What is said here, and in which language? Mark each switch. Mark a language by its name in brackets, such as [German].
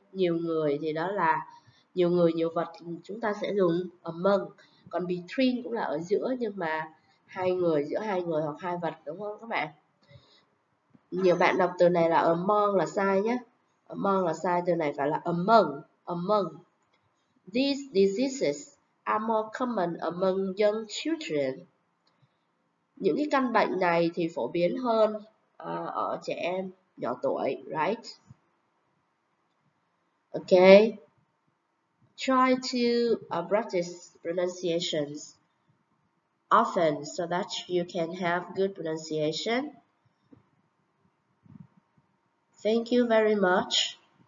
[Vietnamese] Nhiều người thì đó là nhiều người, nhiều vật chúng ta sẽ dùng among. Còn between cũng là ở giữa, nhưng mà hai người, giữa hai người hoặc hai vật đúng không các bạn? Nhiều bạn đọc từ này là among là sai nhé. Among là sai, từ này phải là among, among. [English] These diseases are more common among young children. [Vietnamese] Những cái căn bệnh này thì phổ biến hơn ở trẻ em nhỏ tuổi, [English] right? Ok. Try to practice pronunciations often so that you can have good pronunciation. Thank you very much.